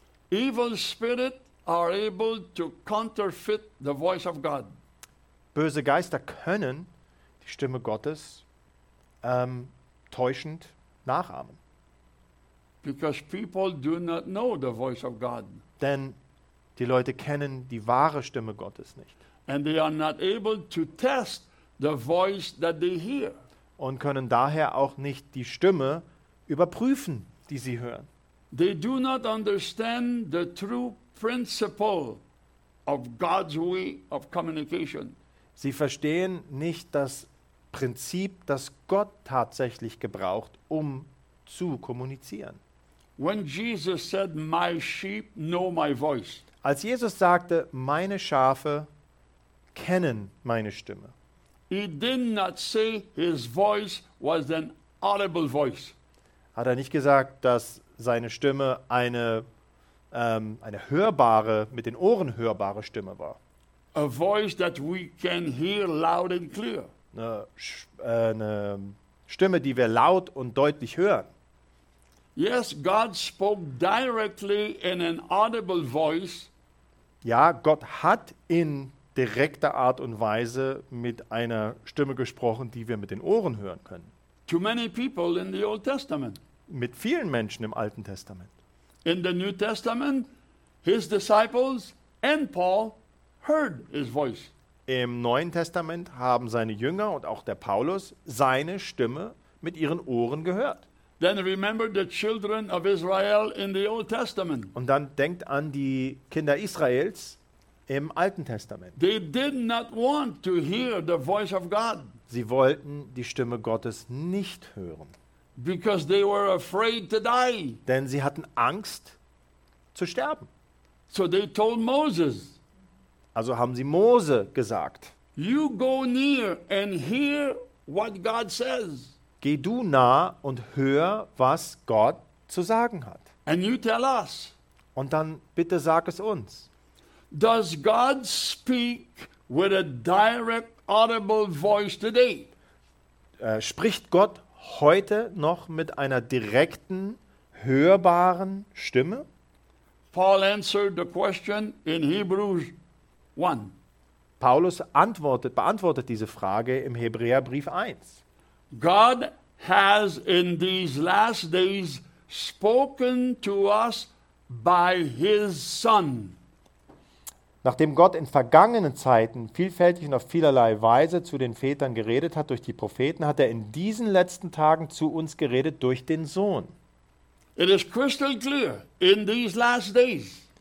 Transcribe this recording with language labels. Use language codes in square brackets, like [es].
[en] Evil spirits are able to counterfeit the voice of God. [de] Böse Geister können die Stimme Gottes täuschend nachahmen. [en] Because people do not know the voice of God. [de] Denn die Leute kennen die wahre Stimme Gottes nicht. [en] And they are not able to test the voice that they hear. [de] Und können daher auch nicht die Stimme überprüfen, die sie hören. [en] They do not understand the true principle of God's way of communication. [de] Sie verstehen nicht das Prinzip, das Gott tatsächlich gebraucht, um zu kommunizieren. [en] When Jesus said, "My sheep know my voice." [de] Als Jesus sagte, meine Schafe kennen meine Stimme. [en] He did not say his voice was an audible voice. [de] Hat er nicht gesagt, dass seine Stimme eine hörbare, mit den Ohren hörbare Stimme war? [en] A voice that we can hear loud and clear. [de] Eine Stimme, die wir laut und deutlich hören. [en] Yes, God spoke directly in an audible voice. [de] Ja, Gott hat in direkter Art und Weise mit einer Stimme gesprochen, die wir mit den Ohren hören können. [en] To many people in the Old Testament. [de] Mit vielen Menschen im Alten Testament. [en] In the New Testament, his disciples and Paul heard his voice. [de] Im Neuen Testament haben seine Jünger und auch der Paulus seine Stimme mit ihren Ohren gehört. [en] Then remember the children of Israel in the Old Testament. [de] Und dann denkt an die Kinder Israels im Alten Testament. [en] They did not want to hear the voice of God. [de] Sie wollten die Stimme Gottes nicht hören. [en] Because they were afraid to die. [de] Denn sie hatten Angst zu sterben. [en] So they told Moses. [de] Also haben sie Mose gesagt. [en] You go near and hear what God says. [de] Geh du nah und hör, was Gott zu sagen hat. [en] And you tell us. [de] Und dann bitte sag es uns. [en] Does God speak with a direct audible voice today? [de] Spricht Gott heute noch mit einer direkten, hörbaren Stimme? [en] Paul answered the question in Hebrews 1. [de] Paulus beantwortet diese Frage im Hebräerbrief 1. [en] God has in these last days spoken to us by his Son. [de] Nachdem Gott in vergangenen Zeiten vielfältig und auf vielerlei Weise zu den Vätern geredet hat durch die Propheten, hat er in diesen letzten Tagen zu uns geredet durch den Sohn. [en] It is crystal clear in these last days.